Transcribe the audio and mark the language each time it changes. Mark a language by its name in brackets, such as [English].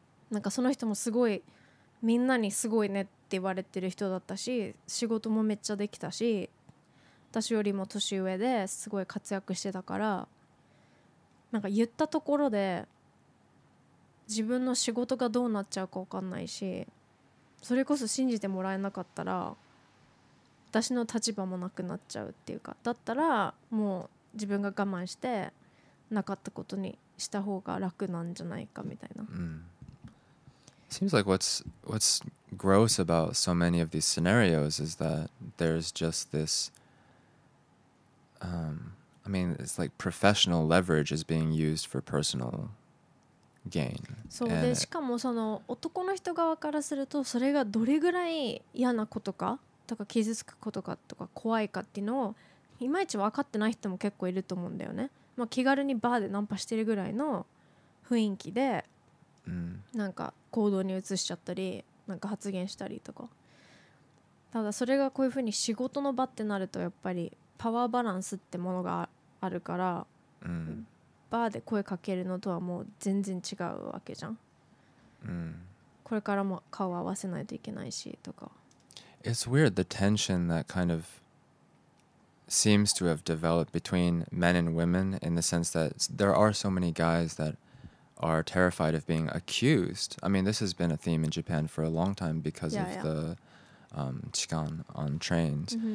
[Japanese] なんかその人もすごいみんなにすごいねって言われてる人だったし、仕事もめっちゃできたし、私よりも年上ですごい活躍してたから、なんか言ったところで自分の仕事がどうなっちゃうか分かんないし、それこそ信じてもらえなかったら私の立場もなくなっちゃうっていうか、だったらもう自分が我慢してなかったことにした方が楽なんじゃないかみたいな。 [English] Seems like what's gross about so many of these scenarios is that there's just this, I mean, it's like professional leverage is being used for personal gain. [Japanese] そうで、しかもその男の人側からするとそれがどれぐらい嫌なことかとか傷つくことかとか怖いかっていうのをいまいち分かってない人も結構いると思うんだよね。まあ気軽にバーでナンパしてるぐらいの雰囲気で、なんか行動に移しちゃったりなんか発言したりとか、ただそれがこういうふうに仕事の場ってなるとやっぱりパワーバランスってものがあるから、バーで声かけるのとはもう全然違うわけじゃん。これからも顔合わせないといけないしとか。 [English] It's weird the tension that kind of seems to have developed between men and women, in the sense that there are so many guys thatare terrified of being accused. I mean, this has been a theme in Japan for a long time because of the tchikan on trains.